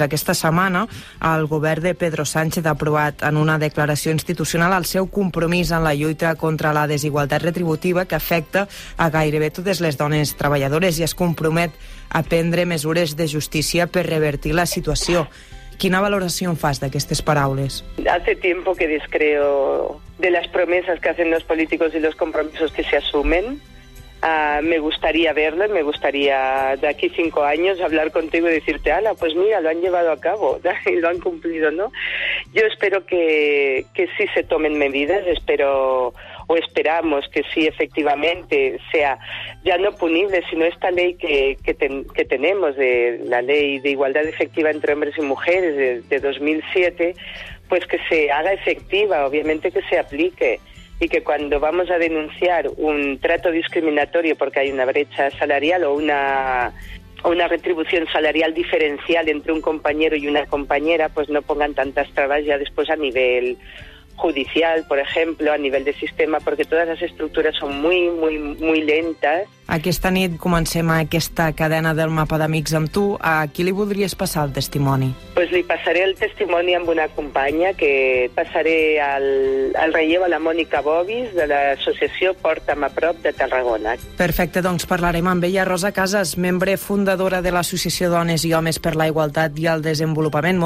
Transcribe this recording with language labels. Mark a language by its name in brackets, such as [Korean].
[Catalan] Aquesta setmana el govern de Pedro Sánchez ha aprovat en una declaració institucional el seu compromís en la lluita contra la desigualtat retributiva que afecta a gairebé totes les dones treballadores i es compromet a prendre mesures de justícia per revertir la situació. [Spanish] ¿Quina valoración fas de estas palabras? Hace tiempo que discreo de las promesas que hacen los políticos y los compromisos que se asumen. Me gustaría verlo, me gustaría de aquí 5 años hablar contigo y decirte, ala, pues mira, lo han llevado a cabo, y lo han cumplido, ¿no? Yo espero que sí se tomen medidas, espero o esperamos que sí efectivamente sea ya no punible, sino esta ley que tenemos, de la Ley de Igualdad Efectiva entre Hombres y Mujeres de 2007, pues que se haga efectiva, obviamente que se aplique. Y que cuando vamos a denunciar un trato discriminatorio porque hay una brecha salarial o una retribución salarial diferencial entre un compañero y una compañera, pues no pongan tantas trabas ya después a nivel judicial, por ejemplo, a nivel de sistema, porque todas las estructuras son muy, muy, muy lentas. [Catalan] Aquesta nit comencem aquesta cadena del mapa d'amics amb tu. A qui li voldries passar el testimoni? Pues li passaré el testimoni amb una companya, que passaré al relleu a la Mònica Bobis de l'associació Porta'm a Prop de Tarragona. Perfecte, doncs parlarem amb ella. Rosa Casas, membre fundadora de l'Associació Dones i Homes per la Igualtat i el Desenvolupament.